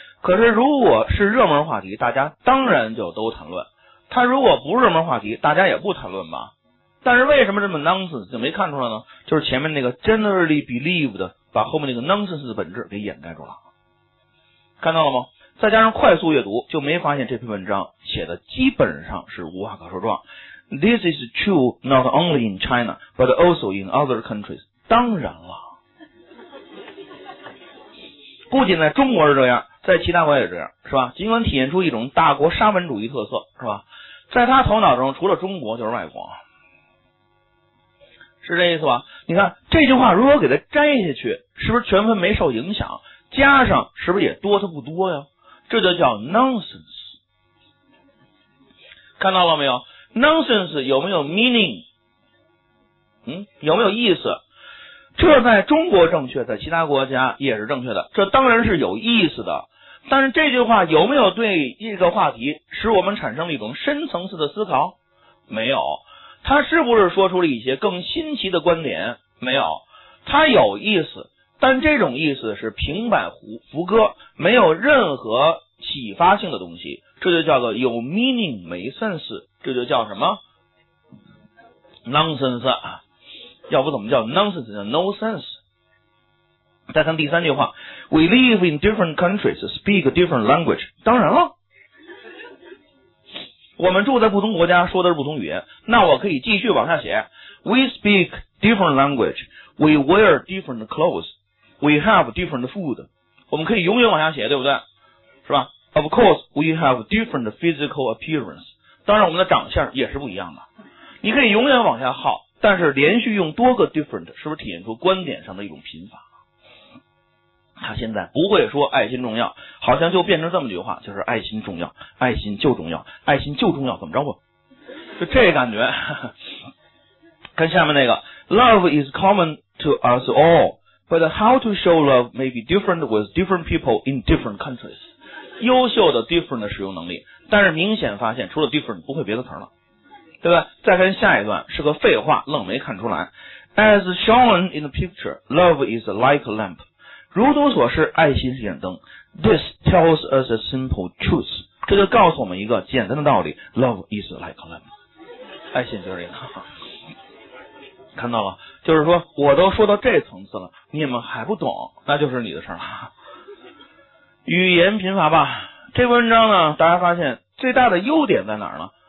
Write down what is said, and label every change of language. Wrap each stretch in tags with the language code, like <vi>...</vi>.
<zh>可是如果是热门话题，大家当然就都谈论，他如果不热门话题，大家也不谈论吧。但是为什么这么 nonsense 就没看出来呢？就是前面那个</zh> <en>generally believed</en> <zh>把后面那个 nonsense 的本质给掩盖住了，看到了吗？再加上快速阅读，就没发现这篇文章写的基本上是无话可说状。</zh> <en>This is true not only in China, but also in other countries.</en> <zh>当然了，不仅在中国是这样，在其他国家也这样，是吧？尽管体现出一种大国沙文主义特色，是吧？在他头脑中，除了中国就是外国，是这意思吧？你看这句话，如果给它摘下去，是不是全文没受影响？加上是不是也多它不多呀？这就叫 nonsense， 看到了没有？ nonsense 有没有 meaning？有没有意思？这在中国正确，在其他国家也是正确的，这当然是有意思的。但是这句话有没有对一个话题使我们产生了一种深层次的思考？没有。它是不是说出了一些更新奇的观点？没有。它有意思，但这种意思是平板胡歌，没有任何启发性的东西，这就叫做有 meaning 没 sense， 这就叫什么 nonsense， 要不怎么叫 nonsense， 叫 no sense。再看第三句话，</zh> <en>We live in different countries, speak different language，</en> <zh>当然了，我们住在不同国家，说的是不同语言。那我可以继续往下写，</zh> <en>We speak different language， We wear different clothesWe have different food，</en> <zh>我们可以永远往下写，对不对？是吧？</zh> <en>Of course we have different physical appearance，</en> <zh>当然我们的长相也是不一样的。你可以永远往下耗，但是连续用多个 different， 是不是体现出观点上的一种贫乏？他现在不会说爱心重要，好像就变成这么句话，就是爱心重要，爱心就重要，爱心就重要，怎么着吧？就这感觉。看下面那个，</zh> <en>Love is common to us allBut how to show love may be different with different people in different countries。</en> <zh>优秀的 different 的使用能力，但是明显发现除了 different 不会别的词了，对吧？再看下一段，是个废话，愣没看出来。</zh> <en>As shown in the picture, love is like a lamp.</en> <zh>如图所示，爱心是眼灯。</zh> <en>This tells us a simple truth.</en> <zh>这就告诉我们一个简单的道理。</zh> <en>Love is like a lamp.</en> <zh>爱心就是这个。看到了，就是说我都说到这层次了，你们还不懂，那就是你的事了。语言贫乏吧，这篇文章呢，大家发现最大的优点在哪儿呢？</zh>